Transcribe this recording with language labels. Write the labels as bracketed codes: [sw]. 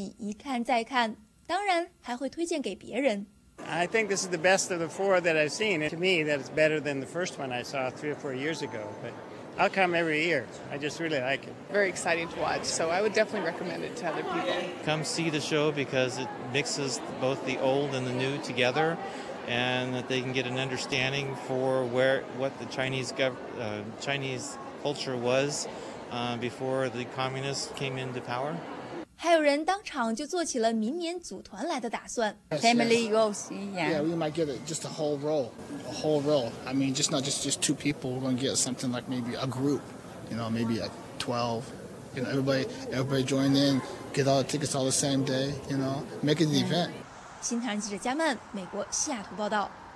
[zh] 好的东西不仅值得自己一看再看，当然还会推荐给别人。 [en] I think this is the best of the four that I've seen. To me, that's better than the first one I saw 3 or 4 years ago. But I'll come every year. I just really like it. Very exciting to watch, so I would definitely recommend it to other people. Come see the show because it mixes both the old and the new together, and that they can get an understanding for what the Chinese culture was before the communists came into power. [zh] 还有人当场就做起了明年组团来的打算。 [en] Family roles, yeah. Yeah, we might get just a whole role. I mean, just not just two people. We're going to get something like maybe a group, you know, maybe a 12. You know, everybody join in, get all the tickets all the same day, you know, make it an event. [zh] 新唐人记者加曼，美国西雅图报道。